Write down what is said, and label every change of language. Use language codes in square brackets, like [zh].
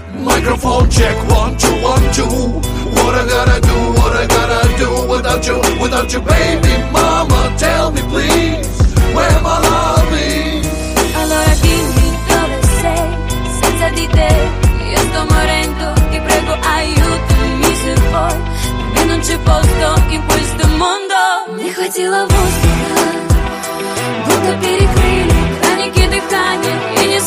[en] Microphone check, one, two, one, two. What I gotta do, what I gotta do without you, without you, baby. Mama, tell me please, where my love is. [it] Allora dimmi dove sei, senza di te io sto morendo, ti prego aiutami se vuoi, perché non c'è posto in questo mondo. [ru] Mi хватило воздуха, будто перекрыли краники дыхания.